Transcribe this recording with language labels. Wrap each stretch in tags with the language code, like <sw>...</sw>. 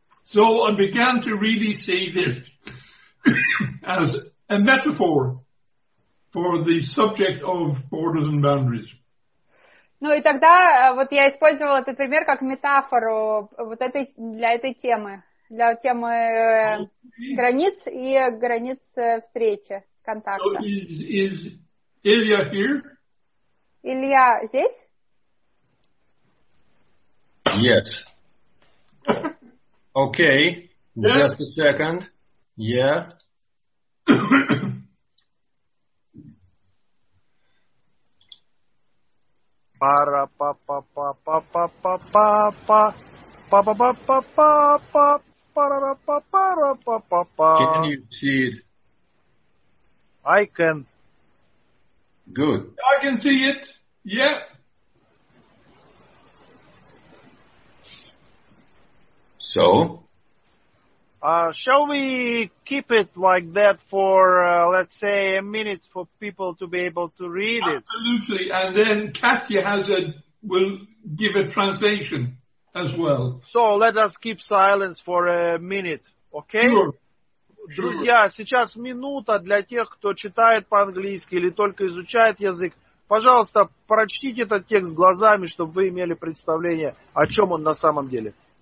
<en>So I began to really see this as a metaphor for the subject of borders and boundaries.</en> <ru>Ну и тогда вот я использовала этот пример как метафору вот этой для этой темы, для темы границ и границ встречи, контакта.</ru> <en>So is Илья here?</en> <ru>Илья здесь?</ru> <en>Yes. Okay. Yes. Just a second. Yeah. Para pa pa pa pa pa pa pa pa pa pa pa pa pa pa pa pa pa pa pa pa pa pa pa. Can you see it? I can. Good. I can see it. Yeah. So. Shall we keep it like that for, let's say, a minute for people to be able to read it? Absolutely, and then Katya will give a translation as well. So let us keep silence for a minute, okay? Sure.</en> <ru>Друзья, сейчас минута для тех, кто читает по-английски или только изучает язык. Пожалуйста, прочтите этот текст глазами, чтобы вы имели представление, о чем он на самом деле.</ru>